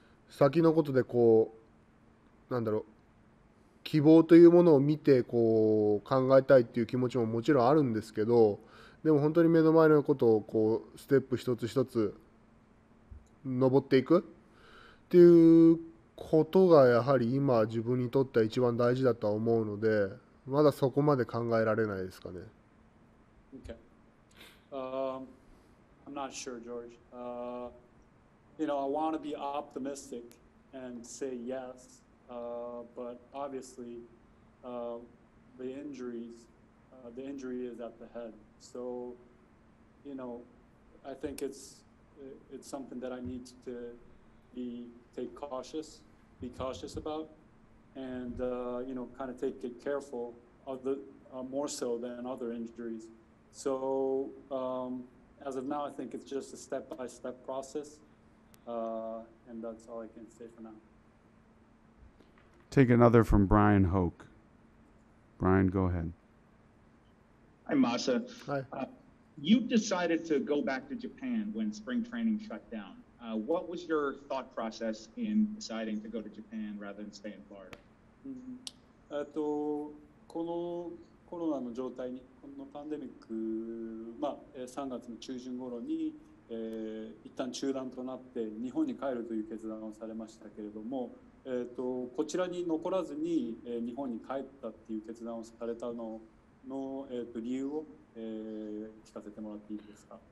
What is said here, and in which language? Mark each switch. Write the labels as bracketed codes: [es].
[ja] 先のことでこう、なんだろう、希望というものを見てこう考えたいっていう気持ちももちろんあるんですけど、でも本当に目の前のことをこうステップ一つ一つ登っていくっていうことがやはり今自分にとっては一番大事だとは思うので、まだそこまで考えられないですかね。 [en] Okay. I'm not sure, George. You know, I want to be optimistic and say yes, but obviously the injury is at the head. So, you know, I think it's something that I need to be cautious about, and, you know, kind of take it careful of the more so than other injuries. So as of now, I think it's just a step-by-step process. And that's all I can say for now. Take another from Brian Hoke. Brian, go ahead. Hi, Masa. Hi. You decided to go back to Japan when spring training shut down. What was your thought process in deciding to go to Japan rather than stay in Florida? [ja] このコロナの状態に、このパンデミック、まあ、3月の中旬頃に、一旦中断となって日本に帰るという決断をされましたけれども、こちらに残らずに、日本に帰ったっていう決断をされたのの、理由を、聞かせてもらっていいですか？